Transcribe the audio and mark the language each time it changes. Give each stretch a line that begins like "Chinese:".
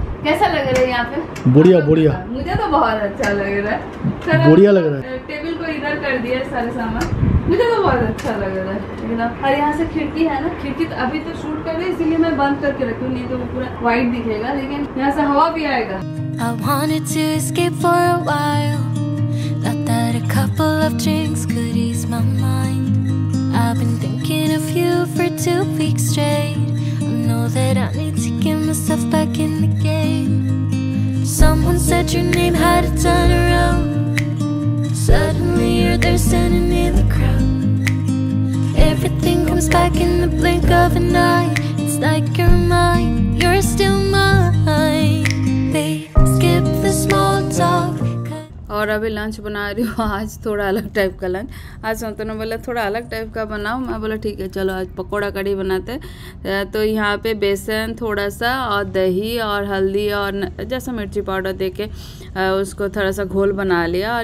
Hindi: कैसा लग रहा है यहाँ पे? बढ़िया बढ़िया, मुझे तो बहुत अच्छा लग रहा है, बढ़िया लग रहा है। टेबल को इधर कर दिया सारे सामान, मुझे तो बहुत अच्छा लग रहा है। और यहाँ से खिड़की है ना, खिड़की तो अभी तो शूट कर रही है इसीलिए मैं बंद करके रखी, नहीं तो वो पूरा वाइट दिखेगा, लेकिन यहाँ से हवा भी आएगा।
English: I wanted to escape for a while, thought that a couple of drinks could ease my mind. I've been thinking of you for 2 weeks straight. I know that I need to get myself back in the game. Someone said your name had a turn around. Suddenly you're there standing in the crowd. Everything comes back in the blink of an eye. It's like you're mine, you're still mine. They skip the small talk.
Hindi: और अभी lunch बना रही हूँ, आज थोड़ा अलग type का lunch. आज सांतनो बोला थोड़ा अलग टाइप का बनाओ, मैं बोला ठीक है चलो आज पकौड़ा कढ़ी बनाते। तो यहाँ पे बेसन थोड़ा सा और दही और हल्दी और जैसा मिर्ची पाउडर देके उसको थोड़ा सा घोल बना लिया।